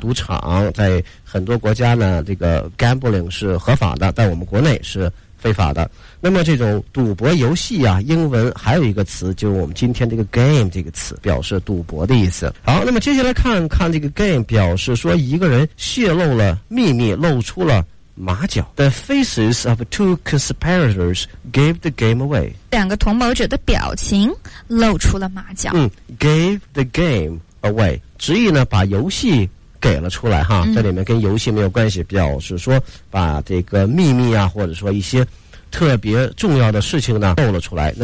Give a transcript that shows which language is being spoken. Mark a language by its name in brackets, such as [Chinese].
[Chinese] 赌场在很多国家呢这个 gambling 是合法的，但我们国内是非法的。那么这种赌博游戏啊，英文还有一个词，就是我们今天这个 game 这个词，表示赌博的意思。好，那么接下来看看这个 game 表示说一个人泄露了秘密，露出了马脚。 [English] The faces of two conspirators gave the game away. [Chinese] 两个同谋者的表情露出了马脚。 [English] Gave the game away. [Chinese] 直译呢，把游戏给了出来哈，在里面跟游戏没有关系，表示说把这个秘密啊，或者说一些特别重要的事情呢露了出来。